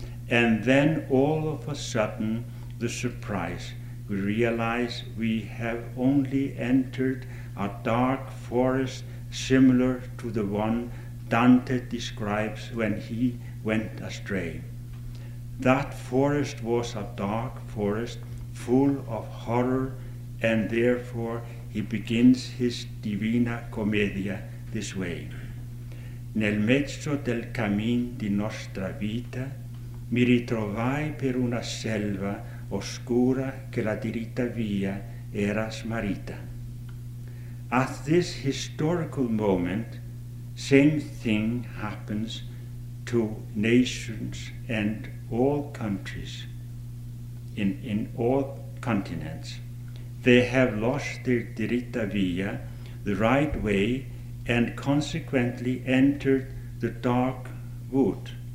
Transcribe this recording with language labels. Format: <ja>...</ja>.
<en>And then all of a sudden, the surprise, we realize we have only entered a dark forest similar to the one Dante describes when he went astray. That forest was a dark forest full of horror, and therefore he begins his Divina Commedia this way.</en> <it>Nel mezzo del cammin di nostra vita mi ritrovai per una selva oscura che la diritta via era smarrita.</it> <en>At this historical moment, same thing happens to nations and all countries in all continents. They have lost their</en> <it>diritta via,</it> <en>the right way, and consequently entered the dark wood.</en>